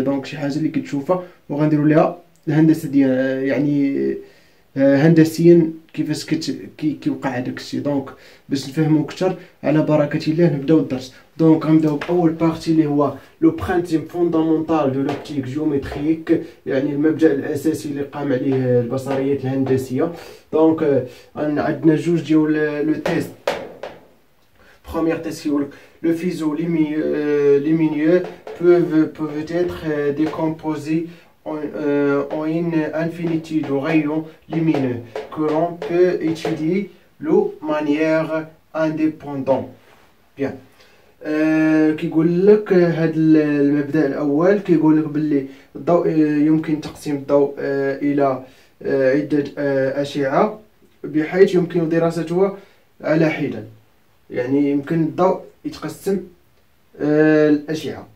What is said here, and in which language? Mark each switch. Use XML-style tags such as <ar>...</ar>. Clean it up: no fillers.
<ar>دونك شي حاجه اللي كتشوفها وغنديروا ليها الهندسه ديال، يعني هندسيا كيفاش كيوقع هذاك الشيء. دونك باش نفهموا اكثر على بركه الله نبداو الدرس. دونك غنبداو باول بارتي اللي هو لو برينسيپ فوندامونتال دو لوبتيك جيومتريك، يعني المبدا الاساسي اللي قام عليه البصريات الهندسيه. دونك عندنا جوج ديال لو تيست.</ar> <fr>Première test, le fuseau lumineux peut être décomposé en une infinité de rayons lumineux que l'on peut étudier de manière indépendante. Bien.</fr> <ar>كي يقول لك هذا المبدا الاول، كي يقول لك باللي الضوء يمكن تقسيم الضوء الى عده اشعه بحيث يمكن دراسته على حده، يعني يمكن الضوء يتقسم الاشعه.</ar>